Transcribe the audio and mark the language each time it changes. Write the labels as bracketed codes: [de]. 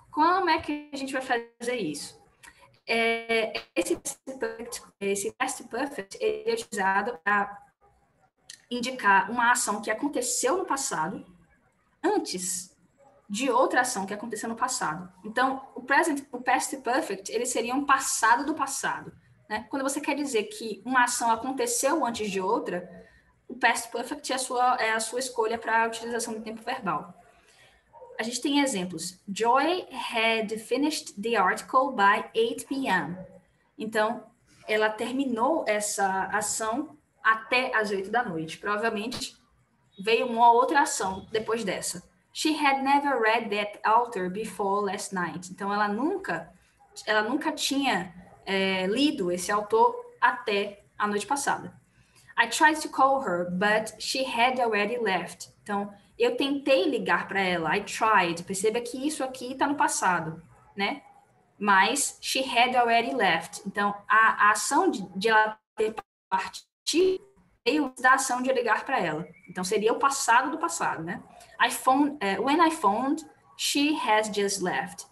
[pt] Como é que a gente vai fazer isso? Esse past perfect ele é utilizado para indicar uma ação que aconteceu no passado, antes de outra ação que aconteceu no passado. Então, o past perfect, ele seria um passado do passado, né? Quando você quer dizer que uma ação aconteceu antes de outra, o past perfect é a sua escolha para a utilização do tempo verbal. A gente tem exemplos. [en] Joy had finished the article by 8 p.m. [pt] Então, ela terminou essa ação até as 8 da noite. Provavelmente veio uma outra ação depois dessa. [en] She had never read that author before last night. [pt] Então, ela nunca tinha lido esse autor até a noite passada. [en] I tried to call her, but she had already left. [pt] Então, eu tentei ligar para ela. [en] I tried. [pt] Perceba que isso aqui está no passado, né? Mas [en] she had already left. [pt] Então, a ação de ela ter partido veio da ação de ligar para ela. Então, seria o passado do passado, né? [en] When I phoned, she has just left.